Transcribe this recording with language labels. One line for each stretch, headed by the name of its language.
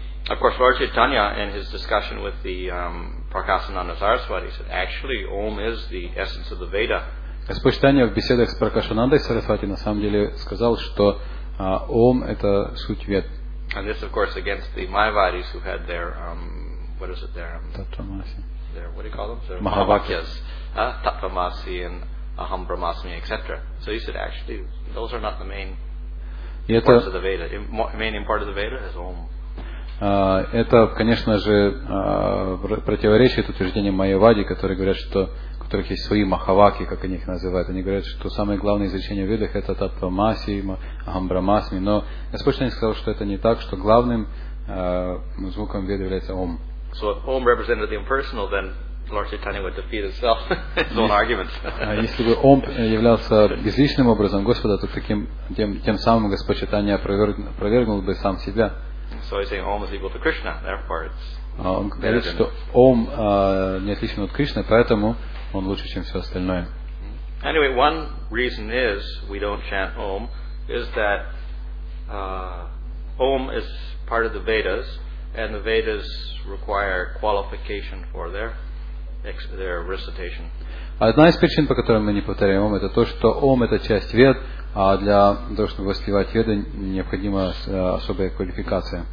English: Of course, Lord Chaitanya, in his discussion with the Prakasananda Saraswati, said actually Om is the essence of the Veda.
Russian: Господь Чайтанья в беседах с Пракашанандой Сарасвати на самом деле сказал, что Ом это суть Вед.
English: And this, of course, against the Mayavadis who had their what do you call them? So Mahavakyas. Tattvamasi and Aham Brahmasmi, etc. So he said, actually, those are not the main parts of the Veda. The main part of the Veda is Om.
Russian: Это, конечно же, противоречит утверждениям Майявади, которые говорят, что у которых есть свои Махаваки, как они их называют. Они говорят, что самое главное изучение в Ведах это Таттвамаси, Ахам Брахмасми. Но Господь Чайтанья сказал, что это не так, что главным звуком Веды является Ом.
English: So if Om represented the impersonal, then Lord Chaitanya would defeat himself, his own argument.
Russian: Если бы Ом являлся безличным образом Господа, то тем самым Господь Чайтанья опровергнул бы сам себя.
English: So he's saying Om is equal to Krishna, therefore it's
Russian: Он говорит, что Ом не отличен от Кришны, поэтому он лучше, чем все остальное.
English: Anyway, one reason is we don't chant Om is that Om is part of the Vedas, and the Vedas require qualification for their recitation.
Russian: Одна из причин, по которой мы не повторяем Ом, это то, что Ом это часть Вед, а для того, чтобы воспевать Веды, необходима особая квалификация.